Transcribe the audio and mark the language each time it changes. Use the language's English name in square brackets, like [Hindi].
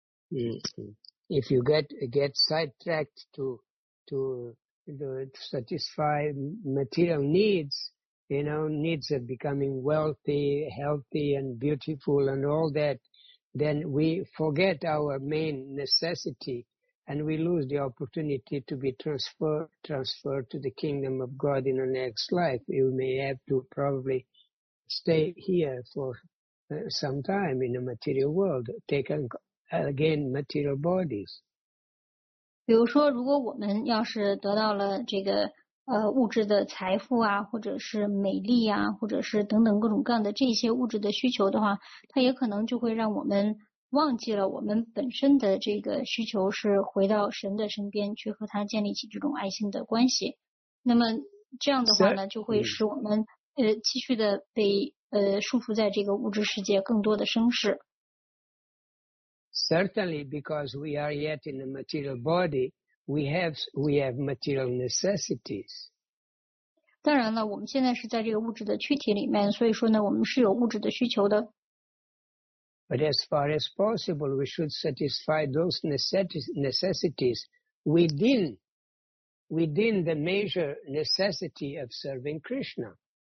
[English] If you get sidetracked to satisfy material needs, you know, needs of becoming wealthy, healthy, and beautiful, and all that, then we forget our main necessity, and we lose the opportunity to be transferred to the kingdom of God in the next life. You may have to probably stay here for some time in the material world, taking again material bodies. [Chinese] 比如说，如果我们要是得到了这个物质的财富啊，或者是美丽啊，或者是等等各种各样的这些物质的需求的话，它也可能就会让我们忘记了我们本身的这个需求是回到神的身边，去和他建立起这种爱心的关系。那么这样的话呢，就会使我们继续的被束缚在这个物质世界更多的生事。 [English] Certainly, because we are yet in a material body, we have material necessities. [Chinese] 当然了，我们现在是在这个物质的躯体里面，所以说呢，我们是有物质的需求的。 [English] But as far as possible, we should satisfy those necessities within the major necessity of serving Krishna.